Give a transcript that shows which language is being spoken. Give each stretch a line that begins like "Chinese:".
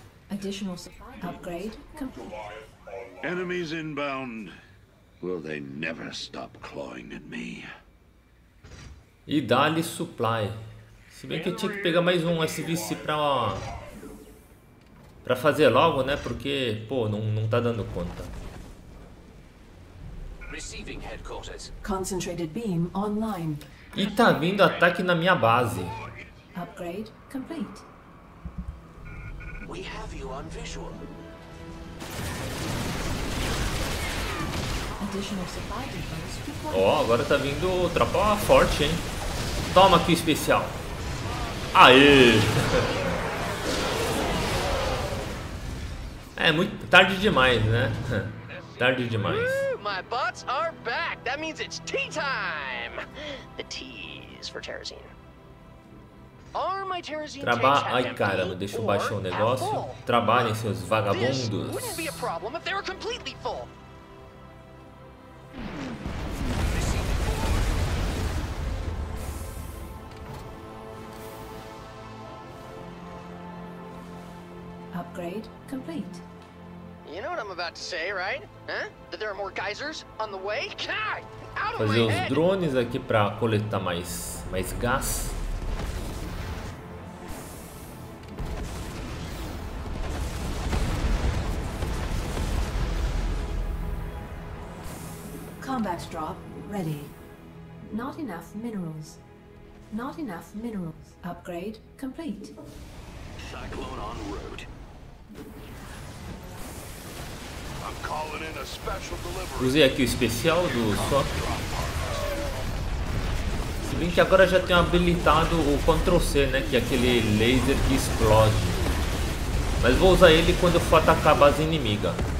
English: Additional supply upgrade complete. Enemies inbound. Will they never stop clawing at me?
Portuguese: E dá-lhe supply. Se bem que eu tinha que pegar mais um SVC para fazer logo, né? Porque, pô, não tá dando conta.
English: Receiving headquarters. Concentrated beam online.
Portuguese: E tá vindo ataque na minha base.
English: Upgrade complete. We have you on visual. Additional supply depots.
Portuguese: Ó, agora tá vindo tropa forte, hein? Toma aqui o especial. Aê! É muito tarde demais, né? Tarde demais.
English: My bots are back. That means it's tea time. The tea is for Terezin. Are my Terezin
Portuguese: Ai, caramba, deixa eu baixar o negócio. Trabalhem, seus vagabundos.
English: This wouldn't be a problem if they were completely full. Upgrade complete. You know what I'm about to say, right? Huh? That there are more geysers on the way?
Portuguese: Fazer os drones aqui para coletar mais gás.
English: Combat drop ready. Not enough minerals. Not enough minerals. Upgrade complete. Cyclone on route. I'm calling in a special delivery.
Portuguese: Usei aqui o especial do Sok. Se bem que agora já tenho habilitado o Ctrl-C, né? Que é aquele laser que explode. Mas vou usar ele quando eu for atacar a base inimiga.